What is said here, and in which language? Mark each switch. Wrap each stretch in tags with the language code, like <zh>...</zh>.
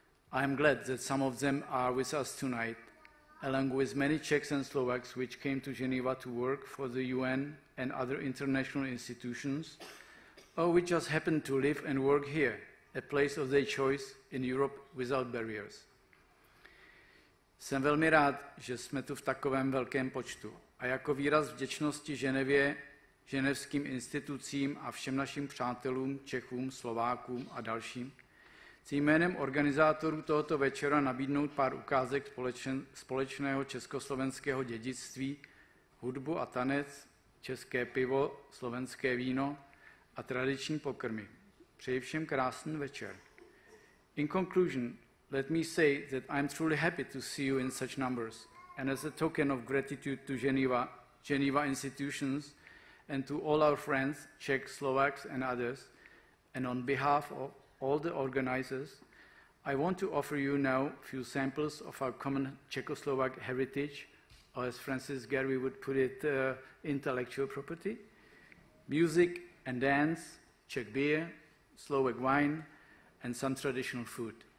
<en>I am glad that some of them are with us tonight, along with many Czechs and Slovaks which came to Geneva to work for the UN and other international institutions, or which just happened to live and work here, a place of their choice in Europe without barriers.</en> <cs>Jsem velmi rád, že jsme tu v takovém velkém počtu. A jako výraz vděčnosti Ženevě, ženevským institucím a všem našim přátelům, Čechům, Slovákům a dalším, chci jménem organizátorů tohoto večera nabídnout pár ukázek společného československého dědictví, hudbu a tanec, české pivo, slovenské víno a tradiční pokrmy. Přeji všem krásný večer.</cs> <en>In conclusion, let me say that I'm truly happy to see you in such numbers, and as a token of gratitude to Geneva institutions, and to all our friends, Czechs, Slovaks and others, and on behalf of all the organizers, I want to offer you now a few samples of our common Czechoslovak heritage, or as Francis Gary would put it, intellectual property, music and dance, Czech beer, Slovak wine, and some traditional food.</en>